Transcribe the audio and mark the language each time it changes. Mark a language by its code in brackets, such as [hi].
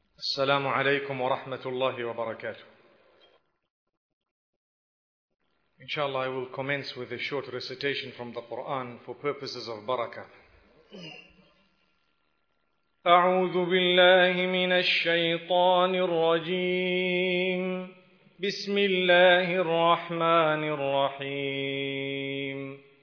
[ar] السلام عليكم ورحمة الله وبركاته. [en] Inshallah, I will commence with a short recitation from the Quran for purposes of barakah. [ar] أعوذ بالله من الشيطان الرجيم. بسم الله الرحمن الرحيم.